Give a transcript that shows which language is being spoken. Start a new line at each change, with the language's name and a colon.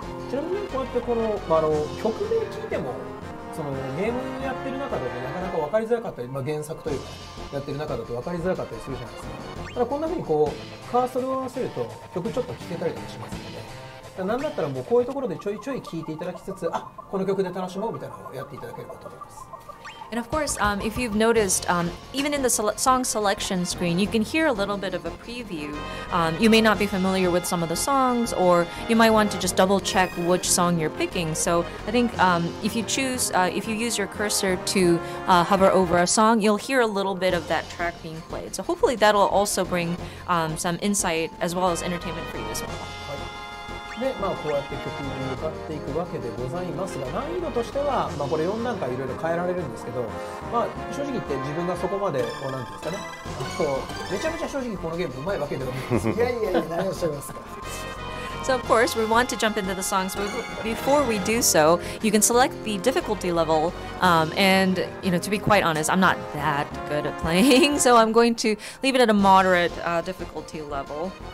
Japanese: ちなみにこうやってこの、曲名聞いても、そのゲームやってる中でなかなか分かりづらかったり、原作というかやってる中だと分かりづらかったりするじゃないですか。ただこんな風にこうカーソルを合わせると曲ちょっと聴けたりとかしますので、ね、なんだったらもうこういうところでちょいちょい聴いていただきつつ、あ、この曲で楽しもうみたいなのをやっていただければと思います。
English: And of course, if you've noticed, even in the song selection screen, you can hear a little bit of a preview. You may not be familiar with some of the songs, or you might want to just double check which song you're picking. So I think if you use your cursor to hover over a song, you'll hear a little bit of that track being played. So hopefully that'll also bring some insight as well as entertainment for you as well.
Japanese: でこうやって曲に向かっていくわけでございますが、難易度としては、これ4段階いろいろ変えられるんですけど、正直言って自分がそこまでこうなんていうんですかね、めちゃめちゃ正直このゲームうまいわけではないんですいやいやいや、何をおっしゃいますか。
English: So of course, we want to jump into the songs, but before we do so, you can select the difficulty level, and you know, to be quite honest, I'm not that good at playing, so I'm going to leave it at a moderate difficulty level.